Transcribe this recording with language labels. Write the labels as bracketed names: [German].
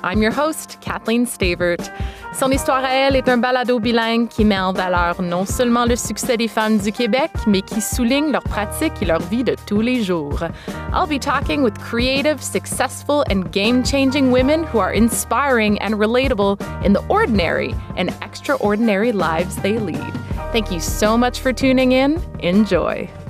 [English] I'm your host, Kathleen Stavert. [French] Son Histoire à Elle est un balado bilingue qui met en valeur non seulement le succès des femmes du Québec, mais qui souligne leur pratique et leur vie de tous les jours. [English] I'll be talking with creative, successful, and game-changing women who are inspiring and relatable in the ordinary and extraordinary lives they lead. Thank you so much for tuning in. Enjoy.